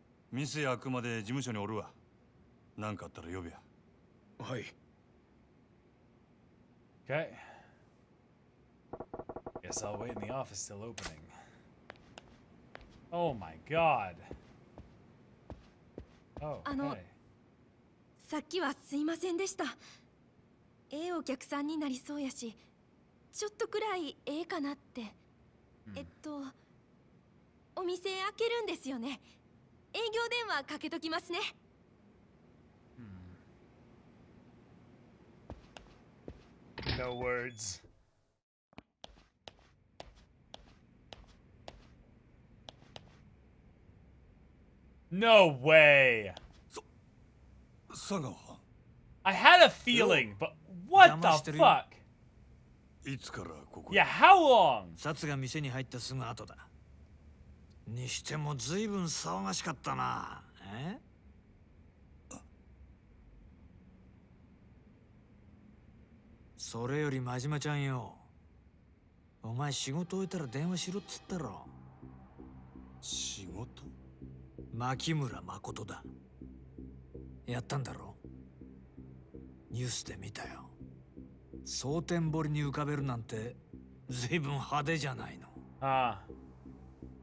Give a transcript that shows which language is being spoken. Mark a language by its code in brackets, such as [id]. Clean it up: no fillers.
[ja] 店開くまで事務所におるわ。なんかあったら呼びや。はい。 [en] Okay. Guess I'll wait in the office till opening. Oh my god. [ja] あの、さっきはすいませんでした。ええお客さんになりそうやし、ちょっとくらいええかなって。お店開けるんですよね。営業電話かけときますね。 [en] No words. No way. I had a feeling, but what the fuck? Yeah, how long? [ja] サツが店に入ったすぐ後だ。にしても随分騒がしかったな。え?それよりマジマちゃんよ。お前仕事終えたら電話しろって言ったろ。仕事?牧村誠だ。やったんだろ?ニュースで見たよ。蒼天堀に浮かべるなんて随分派手じゃないの。ああ。